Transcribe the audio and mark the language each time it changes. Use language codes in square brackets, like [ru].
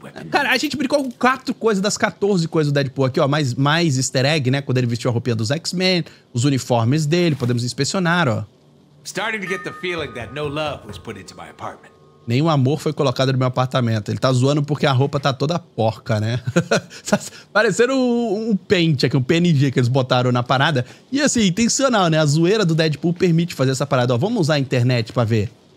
[pt] Cara, a gente brincou com 4 coisas das 14 coisas do Deadpool aqui, ó. Mais easter egg, né? Quando ele vestiu a roupinha dos X-Men, os uniformes dele, podemos inspecionar, ó. [en] Starting to get the feeling that no love was put into my apartment. [pt] Nenhum amor foi colocado no meu apartamento. Ele tá zoando porque a roupa tá toda porca, né? Tá parecendo um pente aqui, um PNG que eles botaram na parada. E assim, intencional, né? A zoeira do Deadpool permite fazer essa parada. Ó, vamos usar a internet pra ver.